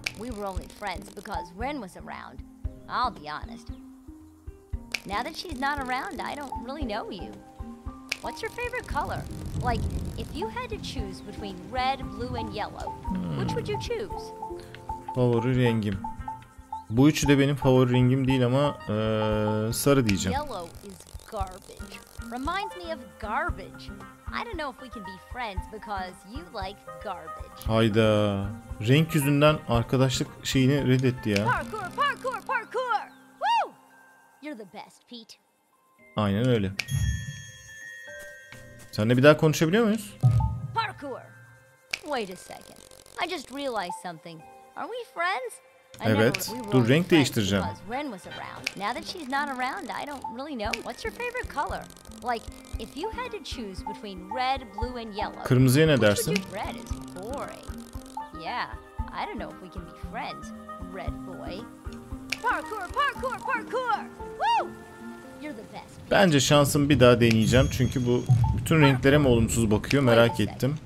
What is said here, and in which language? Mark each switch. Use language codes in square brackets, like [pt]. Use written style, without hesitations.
[en] We were only friends because Ren was around. I'll be honest. Now that she's not around, I don't really know you. What's your favorite color? Like, if you had to choose between red, blue and yellow, which would you choose? [tr] Favori rengim. Bu üçü de benim favori rengim değil ama sarı diyeceğim. [en] Yellow is garbage. Reminds me of garbage. I don't know if we can be friends because you like garbage. [tr] Hayda. Renk yüzünden arkadaşlık şeyini reddetti ya. [en] Parkour, parkour, parkour. Woo! You're the best, Pete. [tr] Aynen öyle. Seninle bir daha konuşabiliyor muyuz? [en] Parkour. Wait a second. I just realized something. Are we friends? [tr] Evet. Dur, renk değiştireceğim. [en] Ren was around. Now that she's not around, I don't really know. What's your favorite color? Like, if you had to choose between red, blue and yellow. [tr] Kırmızıya ne dersin? [en] Red is boring. Yeah. I don't know if we can be friends, red boy. Parkour, parkour, parkour. Woo! You're the best. [tr] Bence şansımı bir daha deneyeceğim çünkü bu bütün renklere mi olumsuz bakıyor, merak ettim.